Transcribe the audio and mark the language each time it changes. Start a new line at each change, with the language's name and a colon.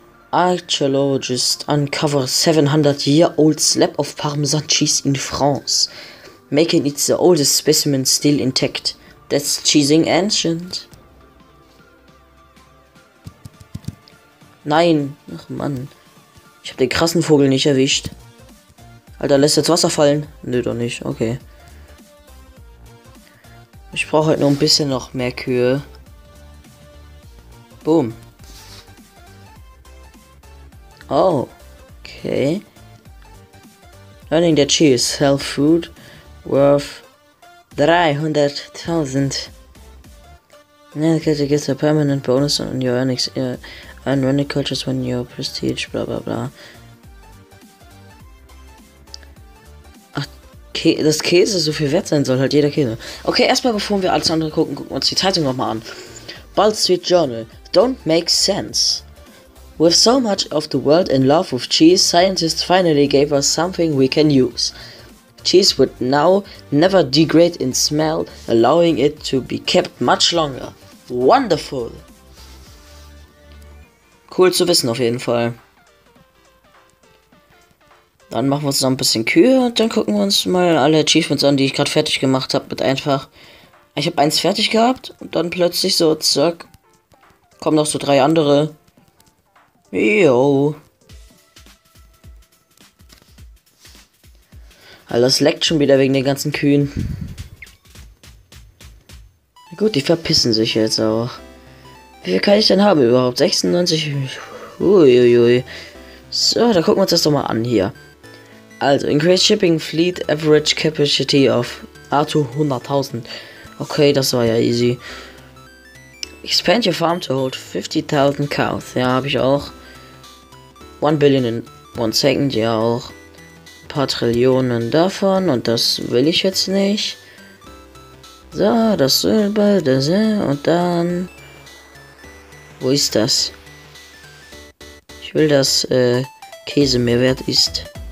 English: Archaeologist uncover 700-year-old slab of Parmesan cheese in France, making it the oldest specimen still intact. That's cheesing ancient.
German: Nein, ach Mann, ich hab den krassen Vogel nicht erwischt. Alter, lässt jetzt Wasser fallen? Nö, doch nicht, okay. Ich brauche halt nur ein bisschen noch mehr Kühe. Boom.
English: Oh, okay. Learning the cheese, sell food worth 300.000. Now, because it gets a permanent bonus on your earnings and running cultures when your prestige, bla bla bla.
German: Ach, das Käse so viel wert sein soll, halt jeder Käse. Okay, erstmal bevor wir alles andere gucken, gucken wir uns die Zeitung nochmal an.
English: Bald Street Journal. Don't make sense. With so much of the world in love with cheese, scientists finally gave us something we can use. Cheese would now never degrade in smell, allowing it to be kept much longer. Wonderful!
German: Cool zu wissen auf jeden Fall. Dann machen wir uns noch ein bisschen Kühe und dann gucken wir uns mal alle Achievements an, die ich gerade fertig gemacht habe. Mit einfach. Ich habe eins fertig gehabt und dann plötzlich so zack. Kommen noch so drei andere. Jo. Alter, es leckt schon wieder wegen den ganzen Kühen. Na gut, die verpissen sich jetzt auch. Wie viel kann ich denn haben überhaupt? 96? Uiuiui. So, da gucken wir uns das doch mal an hier.
English: Also, Increased Shipping Fleet Average Capacity of R2 100.000. Okay,
German: das war ja easy.
English: Expand your farm to hold 50.000 cows.
German: Ja, habe ich auch.
English: 1 Billion in 1 Second,
German: ja auch. Ein paar Trillionen davon und das will ich jetzt nicht. So, das Silber, das und dann. Wo ist das? Ich will, dass Käse mehr wert ist.